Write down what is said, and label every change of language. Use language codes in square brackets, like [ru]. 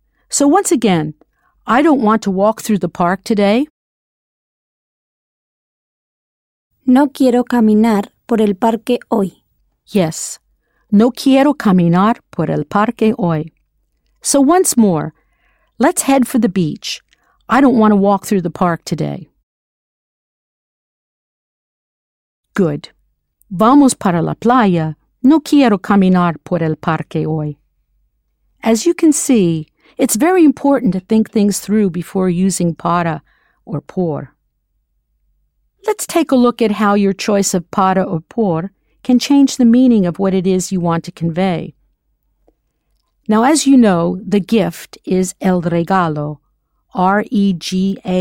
[en] So once again, I don't want to walk through the park today. [es] No quiero caminar por el parque hoy. [en] Yes. [es] No quiero caminar por el parque hoy. [en] So once more, let's head for the beach. I don't want to walk through the park today. [es] Good. Vamos para la playa. No quiero caminar por el parque hoy. [en] As you can see, it's very important to think things through before using para or por. Let's take a look at how your choice of para or por can change the meaning of what it is you want to convey. Now, as you know, the gift is el regalo, R-E-G-A-L-O.